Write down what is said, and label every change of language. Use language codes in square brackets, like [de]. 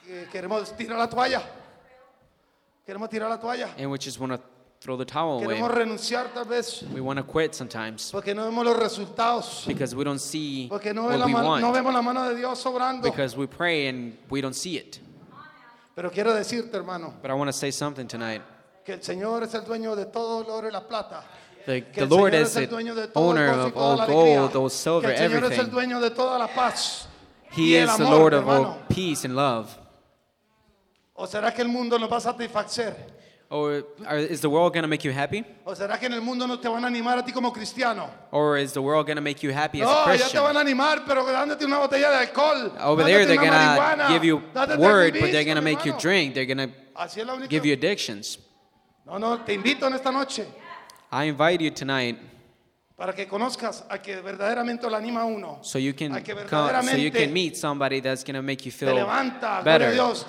[es] Queremos tirar la toalla. Queremos tirar la toalla. [en] And we just want to throw the towel away. [es] Queremos renunciar, tal vez. [en] We want to quit sometimes. [es] Porque no vemos los resultados. [en] Because we don't see [es] porque no [en] what [es] la [en] we want. [es] No vemos la mano de Dios sobrando. [en] Because we pray and we don't see it. [es] Pero quiero decirte, hermano, [en] but I want to say something tonight. [es] Que el Señor es el dueño de todo el oro y la plata. [en] The Lord is the owner of all gold, all silver, everything. [es] Que el Señor es el dueño de toda la paz. [en] He is the Lord of all peace and love. [es] ¿O será que el mundo lo va a satisfacer? [en] Or is the world going to make you happy? Or is the world going to make you happy as a Christian? Over there, they're going to give you word, but they're going to make you drink. They're going to give you addictions. I invite you tonight so you can meet somebody that's going to make you feel better.